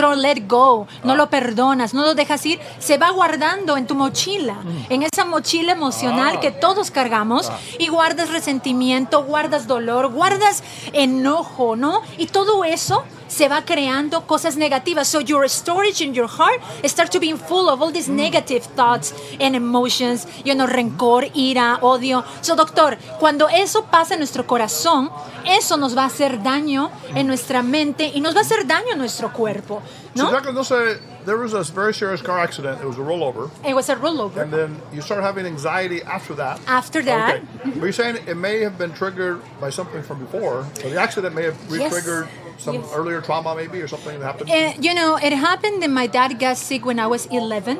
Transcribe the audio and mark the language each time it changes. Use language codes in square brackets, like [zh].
[en] no let go, [es] no lo perdonas, no lo dejas ir, se va guardando en tu mochila, en esa mochila emocional que todos cargamos, y guardas resentimiento, guardas dolor, guardas enojo, ¿no? Y todo eso se va creando cosas negativas. [en] So your storage in your heart starts to be full of all these negative thoughts and emotions, you know, [es] rencor, ira, odio. So, doctor, cuando eso pasa en nuestro corazón, eso nos va a hacer daño en nuestra mente y nos va a hacer daño en nuestro cuerpo, ¿no? [en] So, Jacqueline, there was a very serious car accident. It was a rollover. It was a rollover. And then you started having anxiety after that. After that. Okay. But you're saying it may have been triggered by something from before, so the accident may have re-triggered some earlier trauma, maybe, or something that happened? You know, it happened that my dad got sick when I was 11.